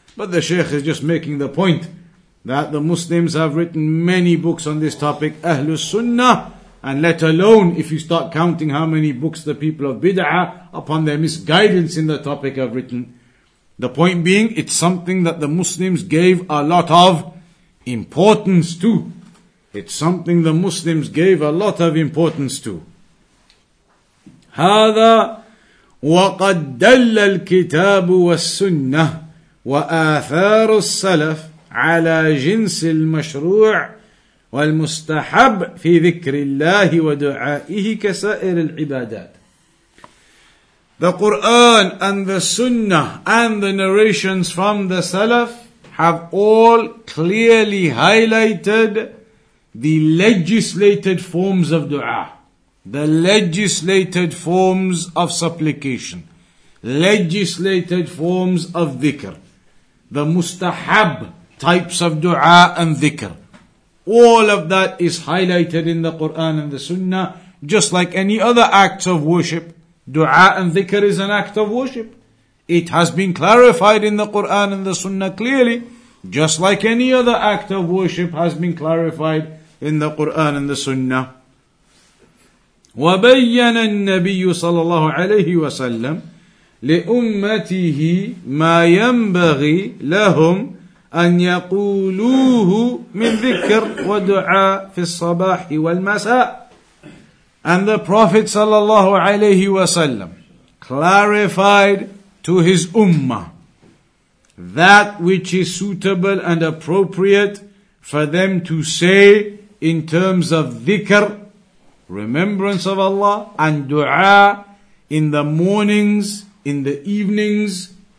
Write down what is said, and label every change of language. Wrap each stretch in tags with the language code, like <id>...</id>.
<en>But the Shaykh is just making the point that the Muslims have written many books on this topic, Ahlus Sunnah, and let alone if you start counting how many books the people of Bid'ah, upon their misguidance in the topic, have written. The point being, it's something that the Muslims gave a lot of importance to. It's something the Muslims gave a lot of importance to.</en> <ar>هَذَا وَقَدْ دَلَّ الْكِتَابُ وَالسُّنَّةِ وَآثَارُ السَّلَفِ على جنس المشروع والمستحب في ذكر الله ودعائه كسائر العبادات.</ar> <en>The Quran and the Sunnah and the narrations from the Salaf have all clearly highlighted the legislated forms of dua, the legislated forms of supplication, legislated forms of dhikr, the mustahab types of dua and dhikr. All of that is highlighted in the Quran and the Sunnah, just like any other acts of worship. Dua and dhikr is an act of worship. It has been clarified in the Quran and the Sunnah clearly, just like any other act of worship has been clarified in the Quran and the Sunnah.</en> <ar>وَبَيَّنَ النَّبِيُّ صَلَى اللَّهُ عَلَيْهِ وَسَلَّمُ لأمته ما ينبغي لهم أن يقولوه من ذكر ودعاء في الصباح والمساء.</ar> <en>And the Prophet</en> <ar>صلى الله عليه وسلم</ar> <en>clarified to his ummah that which is suitable and appropriate for them to say in terms of dhikr, remembrance of Allah, and dua in the mornings, in the evenings,</en>